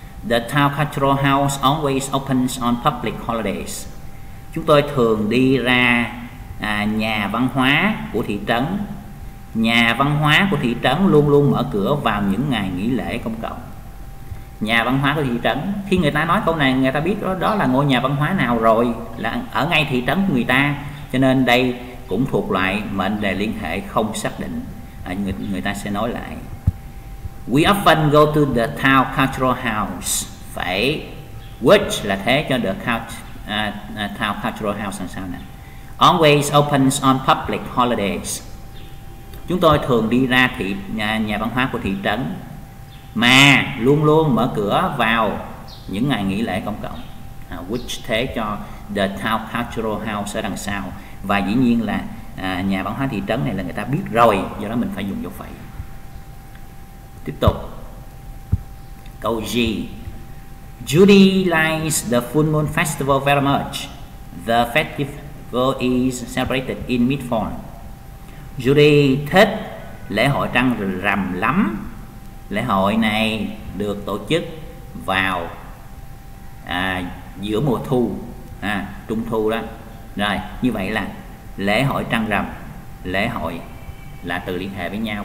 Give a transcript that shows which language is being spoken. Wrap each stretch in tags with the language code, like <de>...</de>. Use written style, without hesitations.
<en>The town cultural house always opens on public holidays.</en> <vi>Chúng tôi thường đi ra nhà văn hóa của thị trấn. Nhà văn hóa của thị trấn luôn luôn mở cửa vào những ngày nghỉ lễ công cộng. Nhà văn hóa của thị trấn, khi người ta nói câu này, người ta biết đó là ngôi nhà văn hóa nào rồi, là ở ngay thị trấn của người ta. Cho nên đây cũng thuộc loại mệnh đề liên hệ không xác định. Người ta sẽ nói lại,</vi> <en>we often go to the town cultural house.</en> <vi>Phải which là thế cho</vi> <en>the town cultural house</en> <vi>làm sao nè.</vi> <en>Always opens on public holidays.</en> <vi>Chúng tôi thường đi ra nhà văn hóa của thị trấn, mà luôn luôn mở cửa vào những ngày nghỉ lễ công cộng. Which thế cho</vi> <en>the town cultural house</en> <vi>ở đằng sau. Và dĩ nhiên là nhà văn hóa thị trấn này là người ta biết rồi, do đó mình phải dùng dấu phẩy. Tiếp tục câu G.</vi> <en>Judy likes the Full Moon Festival very much. The festival is celebrated in Midfall.</en> <vi>Judy thích lễ hội trăng rằm lắm. Lễ hội này được tổ chức vào giữa mùa thu, trung thu đó. Rồi, như vậy là lễ hội trăng rằm, lễ hội là từ liên hệ với nhau.</vi>